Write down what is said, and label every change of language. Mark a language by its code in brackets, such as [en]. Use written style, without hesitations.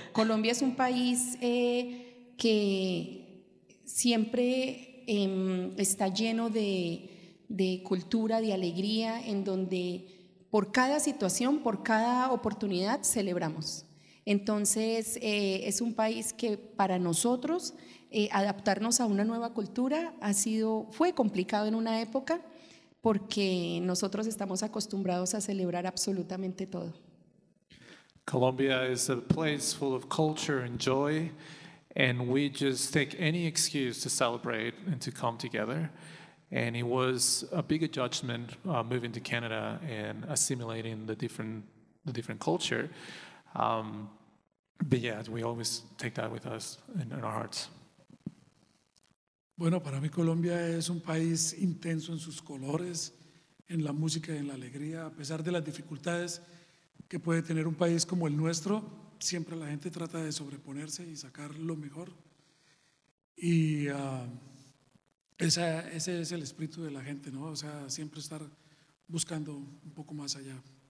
[es] Colombia es un país que siempre está lleno de cultura, de alegría, en donde por cada situación, por cada oportunidad, celebramos. Entonces, es un país que para nosotros, adaptarnos a una nueva cultura fue complicado en una época, porque nosotros estamos acostumbrados a celebrar absolutamente todo. [en] Colombia is a place full of culture and joy, and we just take any excuse to celebrate and to come together. And it was a big adjustment moving to Canada and assimilating the different culture. But yeah, we always take that with us in our hearts. [es] Bueno, para mí Colombia es un país intenso en sus colores, en la música y en la alegría, a pesar de las dificultades que puede tener un país como el nuestro, siempre la gente trata de sobreponerse y sacar lo mejor. Y ese es el espíritu de la gente, ¿no? O sea, siempre estar buscando un poco más allá.